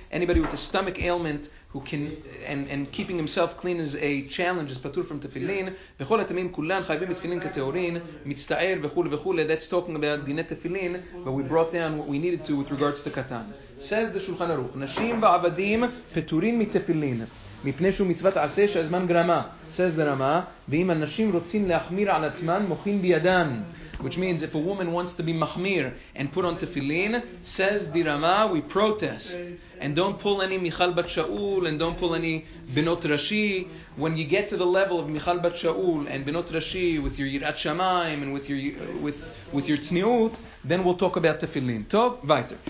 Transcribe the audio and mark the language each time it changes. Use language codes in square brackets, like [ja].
[en] Anybody with a stomach ailment who can and keeping himself clean is a challenge is פטור from תפילין. [he] וכל התמים כולם חייבים בתפילין כתאורין. מצטער וכו' וכו'. [en] That's talking about דיני תפילין, but we brought down what we needed to with regards to קטן. Says the Shulchan Aruch, [he] Nashim ועבדים פטורים מתפילין, מפני שהוא מצוות עשה שהזמן גרמה. [en] Says the Rama, [he] ואם הנשים רוצים להחמיר על עצמן, מוכין בידן. [en] Which means, if a woman wants to be מחמיר and put on תפילין, says the Rama, we protest. And don't pull any מיכל בת שאול, and don't pull any בנות רשי. When you get to the level of מיכל בת שאול and בנות רשי, with your יראת שמיים and with your צניעות, then we'll talk about tefillin. Tov, weiter.